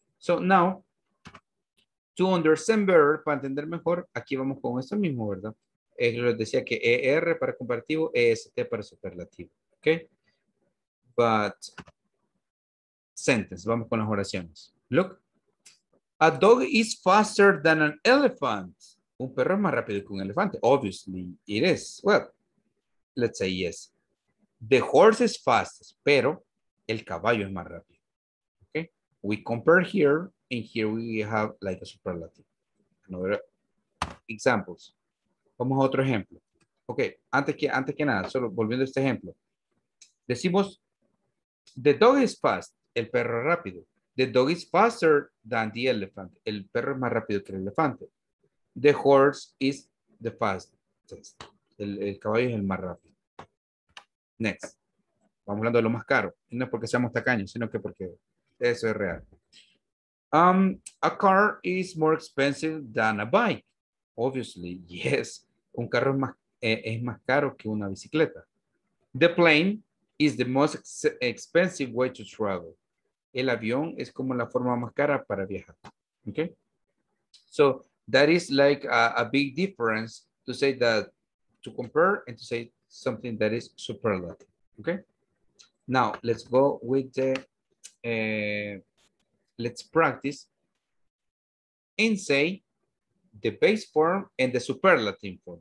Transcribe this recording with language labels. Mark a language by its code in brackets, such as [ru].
[en] So now, to understand better, [es] para entender mejor, aquí vamos con esto mismo, ¿verdad? Les decía que ER para comparativo, EST para superlativo, ¿ok? [en] But, sentence, [es] vamos con las oraciones. [en] Look, a dog is faster than an elephant. [es] Un perro es más rápido que un elefante. [en] Obviously, it is. Well, let's say yes. The horse is fastest, [es] pero el caballo es más rápido. ¿Ok? [en] We compare here, and here we have like a superlative. Another examples. [es] Vamos a otro ejemplo. Ok, antes que nada, solo volviendo a este ejemplo. Decimos, [en] the dog is fast, [es] el perro rápido. [en] The dog is faster than the elephant, [es] el perro es más rápido que el elefante. [en] The horse is the fastest, [es] el caballo es el más rápido. Next. Vamos hablando de lo más caro. No es porque seamos tacaños, sino que porque eso es real. [en] A car is more expensive than a bike. Obviously, yes. [es] Un carro es más caro que una bicicleta. [en] The plane is the most expensive way to travel. [es] El avión es como la forma más cara para viajar. [en] Okay? So, that is like a big difference to say that, to compare and to say something that is superlative. Okay? Now, let's go with the, let's practice and say the base form and the superlative form.